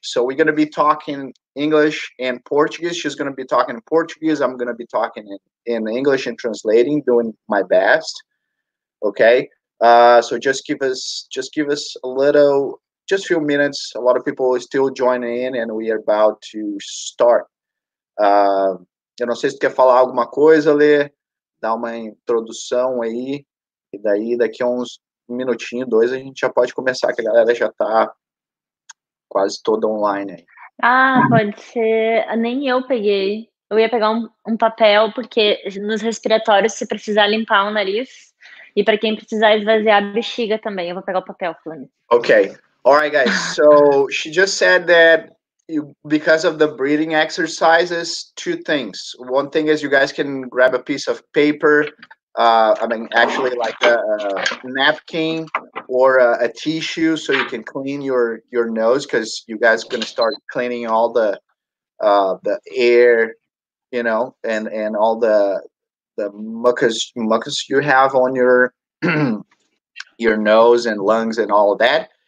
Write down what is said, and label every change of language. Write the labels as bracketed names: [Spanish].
[English] So we're going to be talking English and Portuguese. She's going to be talking in Portuguese. I'm going to be talking in English and translating, doing my best. Okay. So just give us a little, just a few minutes. A lot of people are still joining in, and we are about to start. [Portuguese] Eu não sei se tu quer falar alguma coisa, Lê, dar uma introdução aí, e daí daqui a uns minutinho, dois, a gente já pode começar, que a galera já tá quase toda online aí. Ah, pode ser. Nem eu peguei. Eu ia pegar um papel, porque nos respiratórios, se precisar limpar o nariz, e para quem precisar esvaziar a bexiga também, eu vou pegar o papel, Flamengo. [English] Okay. All right, guys. So she just said that because of the breathing exercises, two things. One thing is you guys can grab a piece of paper, I mean, actually like a napkin or a tissue so you can clean your nose, because you guys are going to start cleaning all the air, you know, and all the mucus you have on your nose and lungs and all of that.